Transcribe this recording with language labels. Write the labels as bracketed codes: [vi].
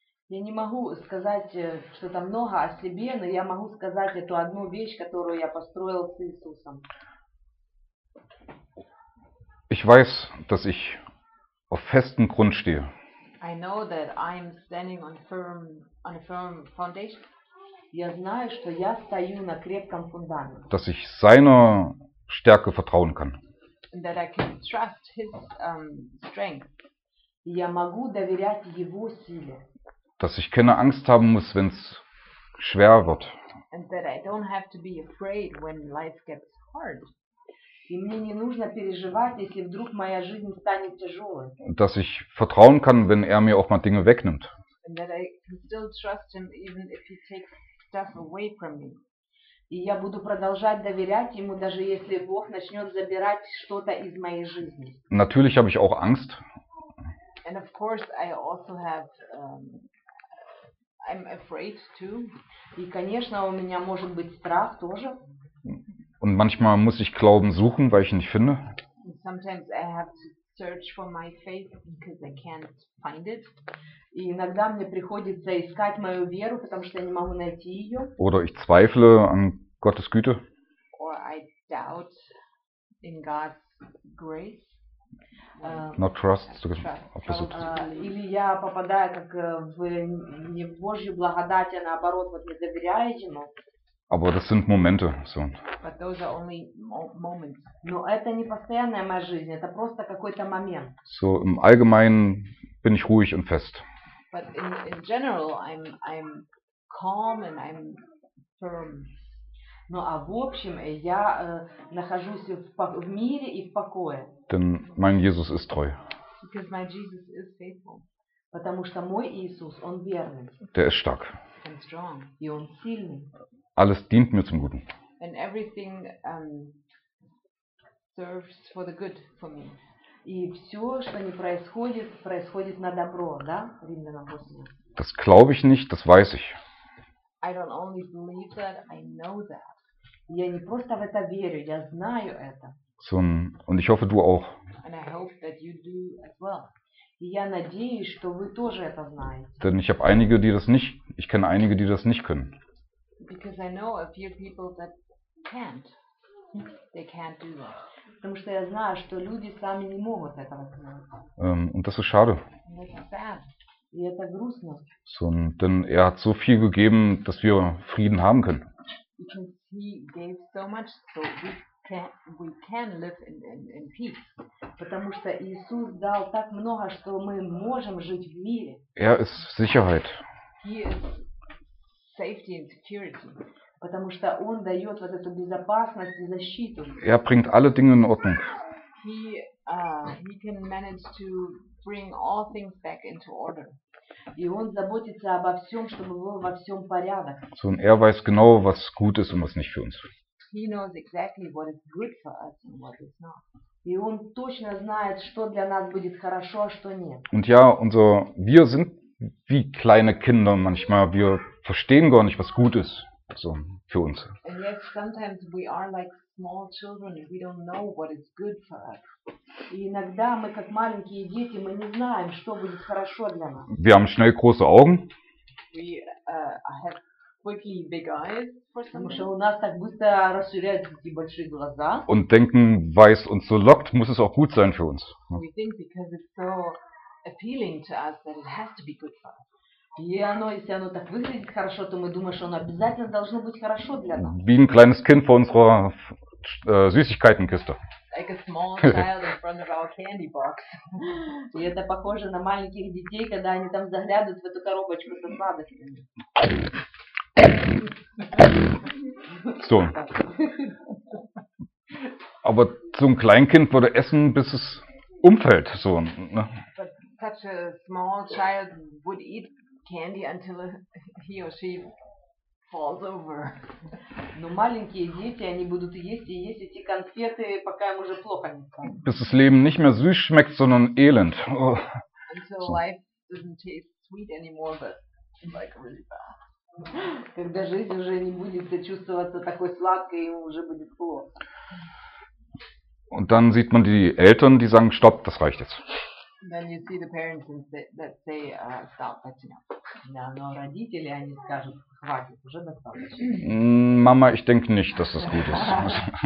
[ru] Я не могу сказать что-то много о себе, но я могу сказать эту одну вещь, которую я построил с Иисусом. [de] Ich weiß, dass ich auf festem Grund stehe. [en] I know that I'm standing on a firm foundation. [ru] Я знаю, что я стою на крепком фундаменте. [de] Dass ich seiner Stärke vertrauen kann. [en] And that I can trust his strength. [ru] Я могу доверять его силе. [de] Dass ich keine Angst haben muss, wenn es schwer wird. [en] And that I don't have to be afraid when life gets hard. [ru] И мне не нужно переживать, если вдруг моя жизнь станет тяжелой. [de] Dass ich vertrauen kann, wenn mir auch mal Dinge wegnimmt. [en] And that I can still trust him even if he takes stuff away from me. [ru] И я буду продолжать доверять ему, даже если Бог начнет забирать что-то из моей жизни. [de] Natürlich habe ich auch Angst. [en] And of course I also have I'm afraid too. [ru] И, конечно, у меня может быть страх тоже. [de] Und manchmal muss ich Glauben suchen, weil ich ihn nicht finde. [en] And sometimes I have to search for my faith because I can't find it. [ru] И иногда мне приходится искать мою веру, потому что я не могу найти ее. [de] Oder ich zweifle an Gottes Güte. [en] Or I doubt in God's grace. Not trust. [ru] Или я попадаю как в не в Божью благодать, а наоборот, вот не доверяю ему. [de] Aber das sind Momente. So. [en] But those are only moments. [ru] Но это не постоянная моя жизнь, это просто какой-то момент. [de] So, im Allgemeinen bin ich ruhig und fest. [en] But in general, I'm calm and I'm firm. [ru] Ну а в общем я нахожусь в мире и в покое. [de] Denn mein Jesus ist treu. [en] Because my Jesus is faithful. [ru] Потому что мой Иисус, он верный. [de] Der ist stark. [en] And strong. [ru] И он сильный. [de] Alles dient mir zum Guten. [en] And everything serves for the good for me. [ru] И все, что не происходит, происходит на добро, да? Римлянам 8. [de] Das glaube ich nicht, das weiß ich. [en] I don't only believe that, I know that. [ru] Я не просто в это верю, я знаю это. [de] So, und ich hoffe, du auch. [en] And I hope that you do as well. [ru] И я надеюсь, что вы тоже это знаете. [de] Denn ich habe einige, die das nicht, ich kenne einige, die das nicht können. [en] Because I know a few people that can't. They can't do that. [ru] Потому что я знаю, что люди сами не могут этого сделать. [de] Und das ist schade. [en] That's sad. [ru] И это грустно. [de] So, denn er hat so viel gegeben, dass wir Frieden haben können. [en] Because he gave so much, so we can live in peace. [ru] Потому что Иисус дал так много, что мы можем жить в мире. [de] Er ist Sicherheit. [en] He is safety and security. [ru] Потому что он дает вот эту безопасность и защиту. [de] Er bringt alle Dinge in Ordnung. [en] He can manage to bring all things back into order. [ru] И он заботится обо всем, чтобы было во всем порядок. [de] So, und er weiß genau, was gut ist und was nicht für uns. [en] He knows exactly what is good for us and what is not. [ru] И он точно знает, что для нас будет хорошо, а что нет. [de] Und ja, wir sind wie kleine Kinder manchmal. Wir verstehen gar nicht, was gut ist so für uns. [en] And yet sometimes we are like small children and we don't know what is good for us. [ru] И иногда мы как маленькие дети, мы не знаем, что будет хорошо для нас. [de] Wir haben schnell große Augen. [en] We have quickly big eyes. [ru] Потому что у нас так быстро расширяются такие большие глаза. [de] Und denken, weil es uns so lockt, muss es auch gut sein für uns. [en] We think because it's so appealing to us that it has to be good for us. [ru] И оно, если оно так выглядит хорошо, то мы думаем, что оно обязательно должно быть хорошо для нас. [de] Wie ein kleines Kind vor unserer Süßigkeitenkiste. [en] Like a small child in front of our candy box. [ru] И это похоже на маленьких детей, когда они там заглядывают в эту коробочку со сладостями. [de] So. Aber so ein Kleinkind würde essen, bis es umfällt. So, ne? [en] But such a small child would eat candy until he or she falls over. [ru] Но маленькие дети, они будут есть и есть эти конфеты, пока им уже плохо не станет. [de] Bis das Leben nicht mehr süß schmeckt, sondern elend. Oh. [en] Until life doesn't taste sweet anymore, but like really bad. [ru] Когда жизнь уже не будет чувствоваться такой сладкой, ему уже будет плохо. [de] Und dann sieht man die Eltern, die sagen, stopp, das reicht jetzt. [en] Then you see the parents and they stop, that's enough. [ru] Да, но родители, они скажут, хватит, уже достаточно. [de] Мама, ich denke nicht, dass das gut ist.